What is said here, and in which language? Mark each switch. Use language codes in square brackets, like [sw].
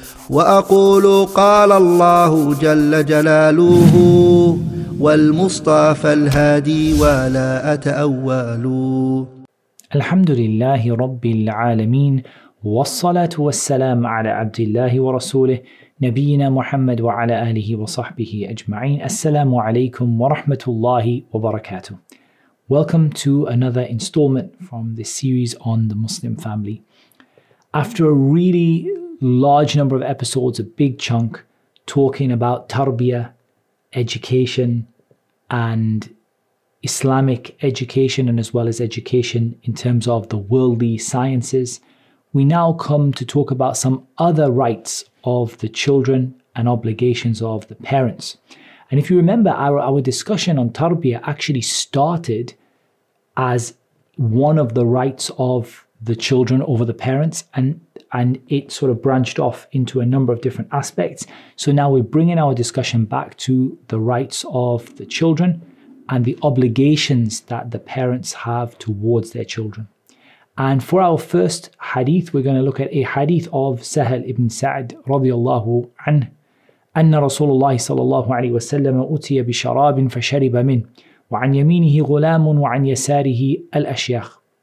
[ar] وأقول قال الله جل جلاله والمصطفى الهادي ولا أتأول. الحمد لله رب العالمين والصلاة والسلام على عبد الله ورسوله نبينا محمد وعلى آله وصحبه أجمعين. السلام عليكم ورحمة الله وبركاته. [en] Welcome to another installment from the series on the Muslim family. After a really large number of episodes, a big chunk, talking about tarbiyah, education, and Islamic education, and as well as education in terms of the worldly sciences, we now come to talk about some other rights of the children and obligations of the parents. And if you remember, our discussion on tarbiyah actually started as one of the rights of the children over the parents, and it sort of branched off into a number of different aspects. So now we're bringing our discussion back to the rights of the children and the obligations that the parents have towards their children. And for our first hadith, we're going to look at a hadith of Sahal ibn Sa'd radiallahu anhu. [ar] أن رسول الله صلى الله عليه وسلم أتي بشراب فشرب منه وعن يمينه غلام وعن يساره الأشياخ.